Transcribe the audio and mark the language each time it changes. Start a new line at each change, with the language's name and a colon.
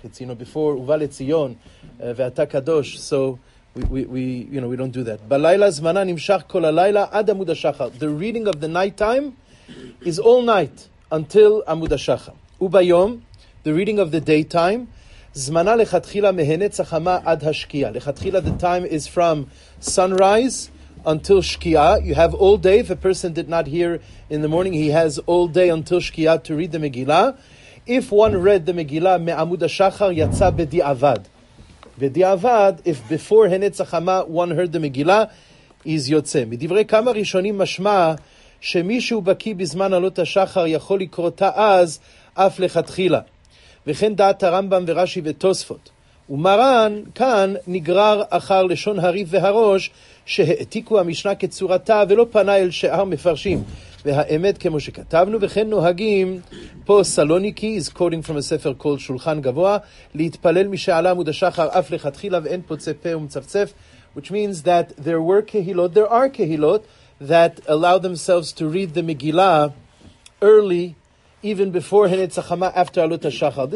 English: It's, you know, before Uval Etzion, Ve'ata Kadosh. So we don't do that.
Hebrew: Balayla zmana nimshach kol alayla ad amud ha-shachar.
English: The reading of the night time is all night until amud ha-shachar. Ubayom, the reading of the daytime.
Hebrew: זמנה לכתחילה מהנץ החמה עד השקיע.
English: לכתחילה, the time is from sunrise until שקיעה. You have all day. If a person did not hear in the morning, he has all day until שקיעה to read the Megillah. If one read the Megillah מעמוד השחר,
Hebrew: יצא בדיעבד.
English: בדיעבד, if before הנץ החמה one heard the Megillah, is יוצא.
Hebrew: מדברי כמה ראשונים משמע שמישהו בקי בזמן עלות השחר יכול לקרותה אז אף לכתחילה. וכן דעת הרמב״ם ורשי ותוספות. ומרן כאן נגרר אחר לשון הריב והראש שהעתיקו המשנה כצורתה ולא פנה אל שאר מפרשים. והאמת כמו שכתבנו וכן נוהגים פה סלוניקי
English: is quoting from a ספר called
Hebrew: שולחן גבוה להתפלל משעלה עמוד השחר אף לכתחילה ואין פוצה פה ומצפצף,
English: which means that there are kehilot that allow themselves to read the Megillah early even before Henetz HaChama, after Alot HaShachar.